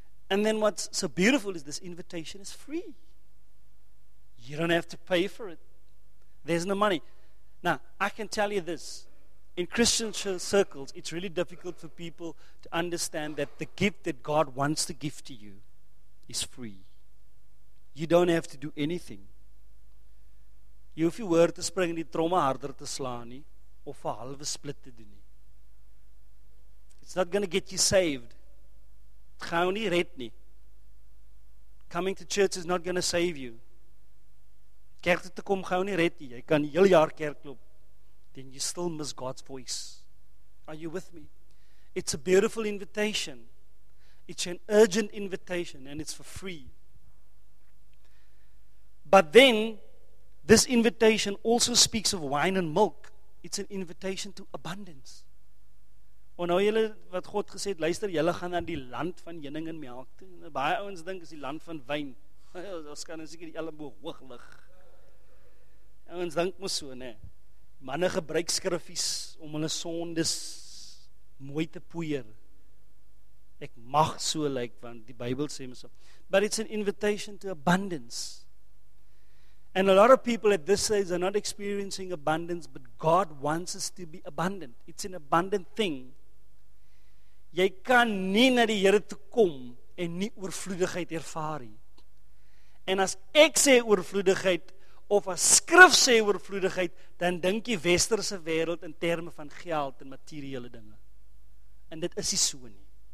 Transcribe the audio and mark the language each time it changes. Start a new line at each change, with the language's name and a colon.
English: And then what's so beautiful is this invitation is free. You don't have to pay for it. There's no money. Now, I can tell you this. In Christian circles, it's really difficult for people to understand that the gift that God wants to give to you is free. You don't have to do anything.
Afrikaans: Jy hoef jou hoor te spring en die tromme harder te slaan nie, of 'n halwe split te doen nie.
English: It's not going to get you saved.
Afrikaans: Het gaan nie red nie.
English: Coming to church is not going to save you.
Afrikaans: Kerk te kom gaan nie red nie. Jy kan die hele jaar kerk loop.
English: Then you still miss God's voice. Are you with me? It's a beautiful invitation. It's an urgent invitation and it's for free. But then, this invitation also speaks of wine and milk. It's an invitation to abundance.
Afrikaans: Onthou julle wat God gesê het, luister, julle gaan aan die land van honing en melk toe. Baie ouens dink is die land van wyn. Ons kan seker die elleboog hoog lig. Ouens dink mos so, né? Manne gebruik skriffies om hulle sondes mooi te poeier. Ek mag so lyk want die Bybel sê mos so.
English: But it's an invitation to abundance. And a lot of people at this stage are not experiencing abundance, but God wants us to be abundant. It's an abundant thing.
Afrikaans: Jy kan nie na die Here toe kom en nie oorvloedigheid ervaar nie. En as ek sê oorvloedigheid, of as skrif sê oorvloedigheid, dan dink jy westerse wêreld in terme van geld en materiële dinge. En dit is nie so nie.